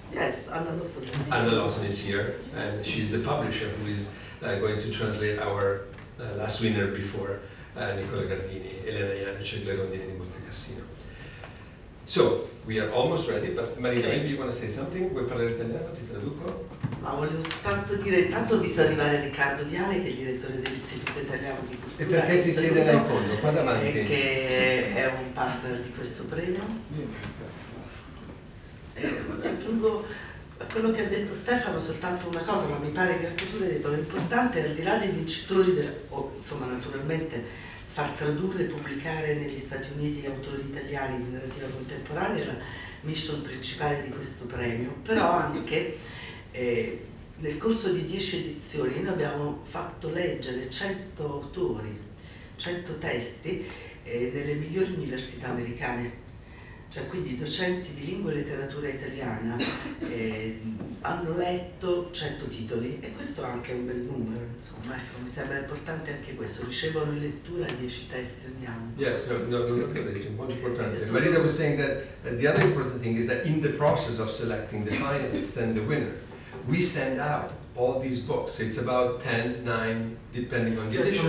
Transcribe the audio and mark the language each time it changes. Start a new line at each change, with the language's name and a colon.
English: Yes, Anna Lawton is here, and she's the publisher who is going to translate our last winner before Nicola Gardini, Elena Janecek, Le Rondini di Monte Cassino. So we are almost ready, but Marina, okay. Maybe you want to say something?
Italian: Vuoi parlare italiano? Ti traduco? Ma voglio soltanto dire, intanto ho visto arrivare Riccardo Viale, che è il direttore dell'Istituto Italiano di Cultura. E perché si saluto, siede là in fondo, qua davanti? Che è un partner di questo premio. Aggiungo a quello che ha detto Stefano soltanto una cosa, ma mi pare che anche tu l'hai detto, l'importante è al di là dei vincitori, insomma naturalmente, far tradurre e pubblicare negli Stati Uniti autori italiani di narrativa contemporanea, la mission principale di questo premio, però anche nel corso di 10 edizioni noi abbiamo fatto leggere 100 autori, 100 testi nelle migliori università americane, cioè quindi docenti di lingua e letteratura italiana hanno letto 100 titoli e questo è anche un bel numero, insomma, ecco, mi sembra importante anche questo, ricevono in lettura 10 testi ogni anno. Yes, no, molto importante.
English: Marina was saying that the other important thing is that in the process of selecting the finalists and the winner, we send out all these books, it's about 10, 9, depending on the edition,